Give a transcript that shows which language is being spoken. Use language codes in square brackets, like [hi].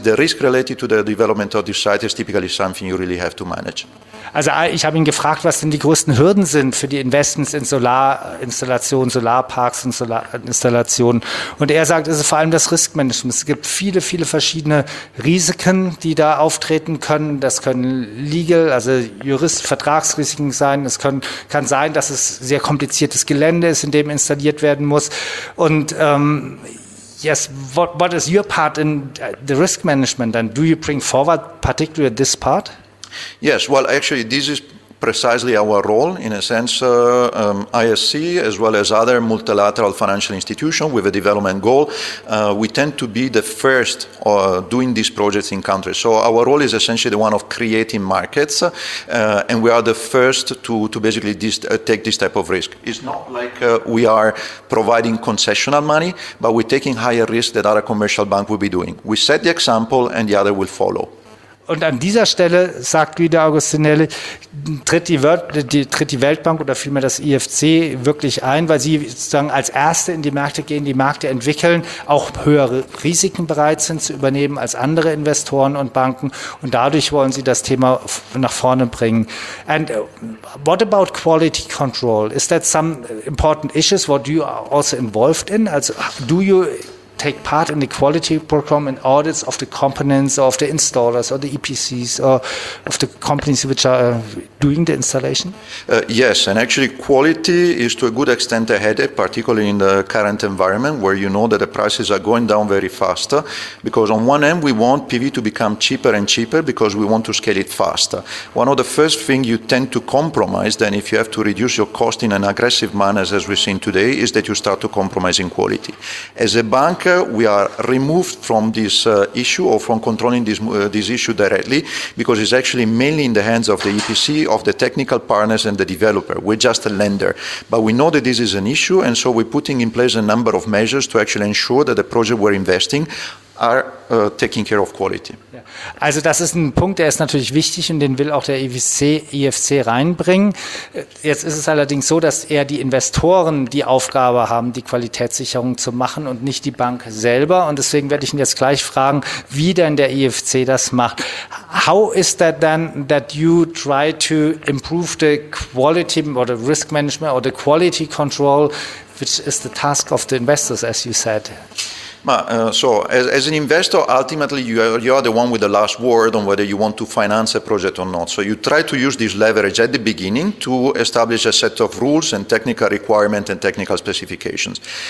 [en] The risk related to the development of this site is typically something you really have to manage. [de] Also ich habe ihn gefragt, was denn die größten Hürden sind für die Investments in Solarinstallationen, Solarparks und Solarinstallationen. Und er sagt, es ist vor allem das Riskmanagement. Es gibt viele, viele verschiedene Risiken, die da auftreten können. Das können Legal, also Vertragsrisiken sein. Es kann sein, dass es sehr kompliziertes Gelände ist, in dem installiert werden muss. [en] Und yes, what is your part in the risk management? And do you bring forward particularly this part? Yes, well, actually, this is precisely our role, in a sense, ISC, as well as other multilateral financial institutions with a development goal, we tend to be the first doing these projects in countries. So our role is essentially the one of creating markets, and we are the first to basically take this type of risk. It's not like we are providing concessional money, but we're taking higher risk than other commercial bank will be doing. We set the example, and the other will follow. [de] Und an dieser Stelle, sagt Guido Agostinelli, tritt die Weltbank oder vielmehr das IFC wirklich ein, weil sie sozusagen als Erste in die Märkte gehen, die Märkte entwickeln, auch höhere Risiken bereit sind zu übernehmen als andere Investoren und Banken. Und dadurch wollen sie das Thema nach vorne bringen. [en] And what about quality control? Is that some important issues? What are you also involved in? Also do you take part in the quality program and audits of the components of the installers or the EPCs or of the companies which are doing the installation? Yes, and actually quality is to a good extent a headache, particularly in the current environment where you know that the prices are going down very fast, because on one end we want PV to become cheaper and cheaper because we want to scale it faster. One of the first things you tend to compromise then if you have to reduce your cost in an aggressive manner as we've seen today is that you start to compromise in quality. As a bank, we are removed from this issue or from controlling this issue directly because it's actually mainly in the hands of the EPC, of the technical partners and the developer. We're just a lender. But we know that this is an issue and so we're putting in place a number of measures to actually ensure that the project we're investing are taking care of quality. [de] Also das ist ein Punkt, der ist natürlich wichtig und den will auch der IFC reinbringen. Jetzt ist es allerdings so, dass eher die Investoren die Aufgabe haben, die Qualitätssicherung zu machen und nicht die Bank selber. Und deswegen werde ich ihn jetzt gleich fragen, wie denn der IFC das macht. [en] How is that then that you try to improve the quality or the risk management or the quality control, which is the task of the investors, as you said? So as an investor, ultimately you are the one with the last word on whether you want to finance a project or not. So you try to use this leverage at the beginning to establish a set of rules and technical requirements and technical specifications.